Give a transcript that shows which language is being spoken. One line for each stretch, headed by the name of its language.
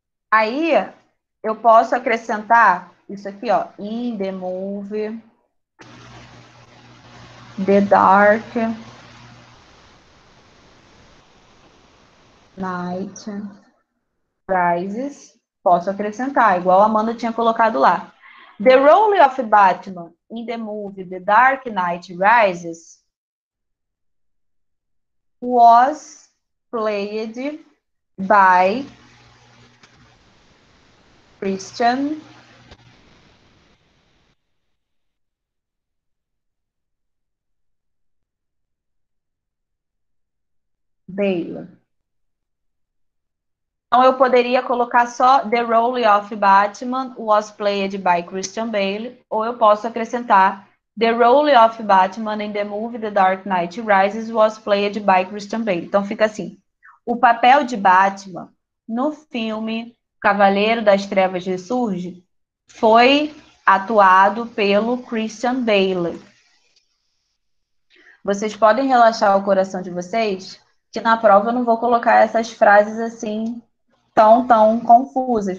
Portuguese: Aí eu posso acrescentar isso aqui, ó.
English: In the movie, The Dark Knight Rises.
Portuguese: Posso acrescentar, igual a Amanda tinha colocado lá.
English: The role of Batman in the movie The Dark Knight Rises was played by Christian Bale.
Portuguese: Então eu poderia colocar só
English: The Role of Batman was played by Christian Bale,
Portuguese: ou eu posso acrescentar
English: The Role of Batman in the movie The Dark Knight Rises was played by Christian Bale.
Portuguese: Então fica assim: o papel de Batman no filme Cavaleiro das Trevas Ressurge foi atuado pelo Christian Bale. Vocês podem relaxar o coração de vocês, que na prova eu não vou colocar essas frases assim tão, tão confusas.